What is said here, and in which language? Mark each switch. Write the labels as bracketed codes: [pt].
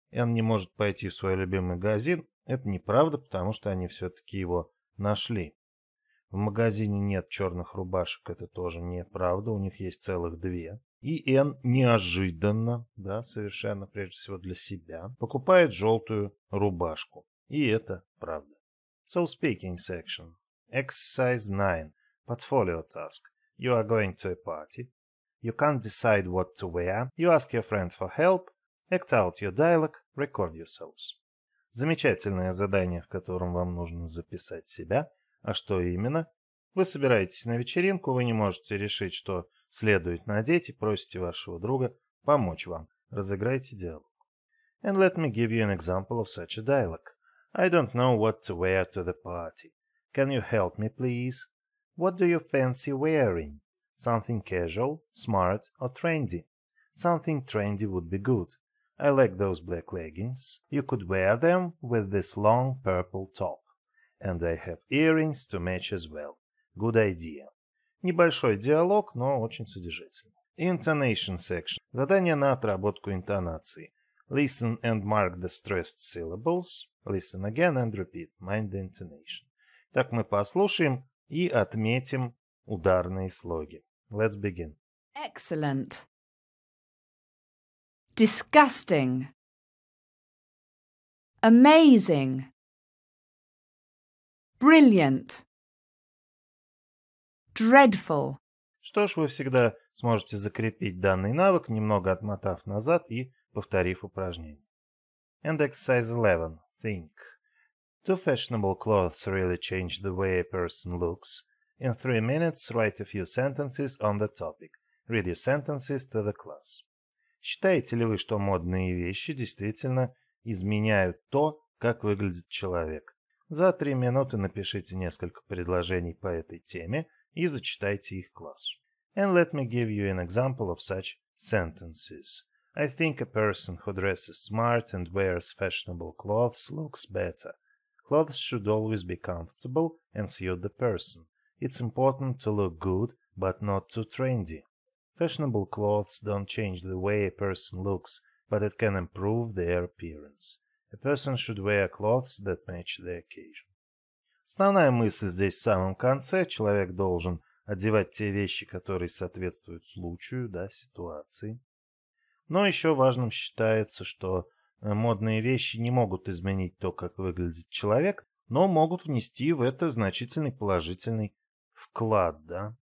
[ru] Энн не может пойти в свой любимый магазин. Это неправда, потому что они все-таки его нашли. В магазине нет черных рубашек, это тоже неправда. У них есть целых две. И Энн неожиданно, да, совершенно прежде всего для себя, покупает желтую рубашку. И это правда. [en] So speaking section. Exercise 9. Portfolio task. You are going to a party. You can't decide what to wear. You ask your friend for help. Act out your dialogue. Record yourselves. [ru] Замечательное задание, в котором вам нужно записать себя. А что именно? Вы собираетесь на вечеринку, вы не можете решить, что следует надеть, и просите вашего друга помочь вам. Разыграйте диалог. [en] And let me give you an example of such a dialogue. I don't know what to wear to the party. Can you help me, please? What do you fancy wearing? Something casual, smart or trendy? Something trendy would be good. I like those black leggings. You could wear them with this long purple top. And I have earrings to match as well. Good idea. [ru] Небольшой диалог, но очень содержательный. [en] Intonation section. [ru] Задание на отработку интонации. [en] Listen and mark the stressed syllables. Listen again and repeat. Mind the intonation. [ru] Так мы послушаем и отметим ударные слоги. [en] Let's begin. Excellent. Disgusting. Amazing. Brilliant. Dreadful. [ru] Что ж, вы всегда сможете закрепить данный навык, немного отмотав назад и повторив упражнение. [en] And exercise 11. Think. Do fashionable clothes really change the way a person looks? In 3 minutes, write a few sentences on the topic. Read your sentences to the class. [ru] Считаете ли вы, что модные вещи действительно изменяют то, как выглядит человек? За 3 минуты напишите несколько предложений по этой теме и зачитайте их классу. [en] And let me give you an example of such sentences. I think a person who dresses smart and wears fashionable clothes looks better. Clothes should always be comfortable and suit the person. It's important to look good, but not too trendy. Fashionable clothes don't change the way a person looks, but it can improve their appearance. A person should wear clothes that match the occasion. [ru] Основная мысль здесь в самом конце. Человек должен одевать те вещи, которые соответствуют случаю, да, ситуации. Но еще важным считается, что модные вещи не могут изменить то, как выглядит человек, но могут внести в это значительный положительный вклад, да?